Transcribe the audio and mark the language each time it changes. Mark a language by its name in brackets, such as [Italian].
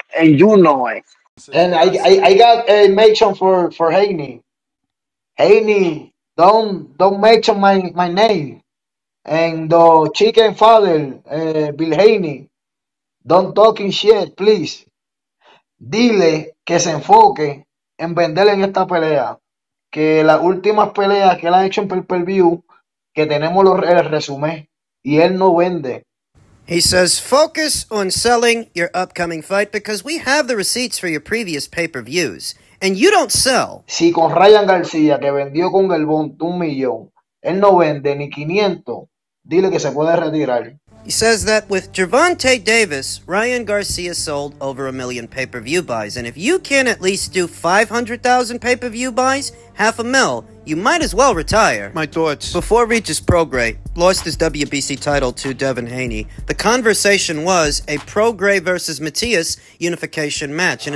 [English] And you know it. And I got a mention for Haney. Haney, don't mention my name. And the chicken father, Bill Haney, don't talking shit, please. [Spanish] Dile que se enfoque en venderle en esta pelea. Que las últimas peleas que él ha hecho en pay-per-view, que tenemos el resumen, y él no vende. [English] He says, focus on selling your upcoming fight because we have the receipts for your previous pay-per-views, and you don't sell. [Spanish] Si con Ryan García, que vendió con Galvón 1 million, él no vende ni 500, dile que se puede retirar. [English] He says that with Gervonta Davis, Ryan Garcia sold over 1 million pay-per-view buys. And if you can at least do 500,000 pay-per-view buys, half a mil, you might as well retire. My thoughts. Before Regis Prograis lost his WBC title to Devin Haney, the conversation was a Prograis versus Matias unification match.